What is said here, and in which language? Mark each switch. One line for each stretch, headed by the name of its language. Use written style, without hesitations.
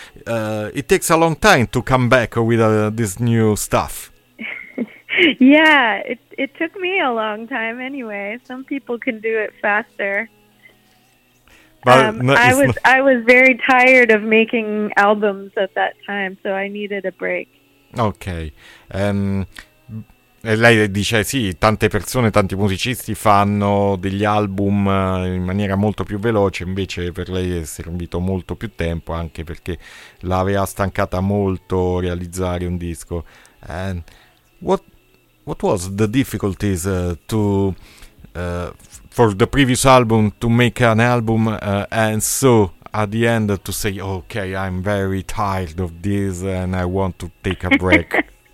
English: It takes a long time to come back with this new stuff. Yeah, it took me a long time anyway. Some people can do it faster. But I was very tired of making albums at that time, so I needed a break. Okay.
Italian: E lei dice sì, tante persone, tanti musicisti fanno degli album in maniera molto più veloce, invece per lei è servito molto più tempo, anche perché l'aveva stancata molto realizzare un disco.
English: What was the difficulties for the previous album to make an album and so at the end to say, okay, I'm very tired of this and I want to take a break?